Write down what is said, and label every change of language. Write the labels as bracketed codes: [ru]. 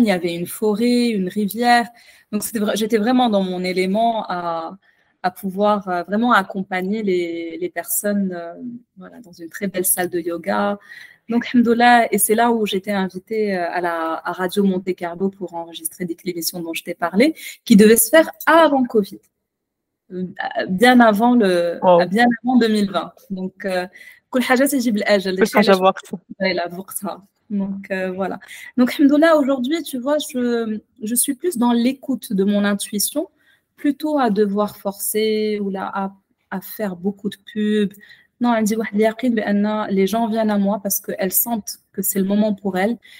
[fr] Il y avait une forêt, une rivière. Donc, j'étais vraiment dans mon élément à pouvoir vraiment accompagner les personnes dans une très belle salle de yoga. Donc, alhamdoulilah, et c'est là où j'étais invitée à Radio Monte Carlo pour enregistrer des émissions dont je t'ai parlé, qui devaient se faire avant Covid, bien avant bien avant 2020. [ar] Donc, كل حاجة تجيب الأجل. كل حاجة وقت. [fr] Oui, la vocta. Donc, voilà. Donc, alhamdoulilah, aujourd'hui, tu vois, je suis plus dans l'écoute de mon intuition, plutôt à devoir forcer ou là, à faire beaucoup de pubs. Non, elle dit, les gens viennent à moi parce qu'elles sentent que c'est le moment pour elles.